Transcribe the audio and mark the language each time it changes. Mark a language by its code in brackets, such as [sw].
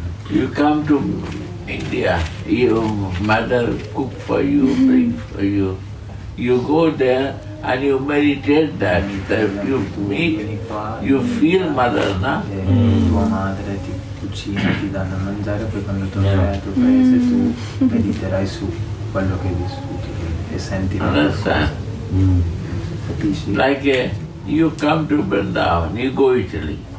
[en] You come to India, your mother cook for you, bring for you. You go there, and you meditate that you meet, you feel mother, na? [it] Tua madre ti cucina, ti dà da mangiare, poi quando tornerai al tuo paese tu mediterai su quello che hai vissuto e senti la cosa. Capisci? [en] Like you come to Vrindavan, you go to Italy.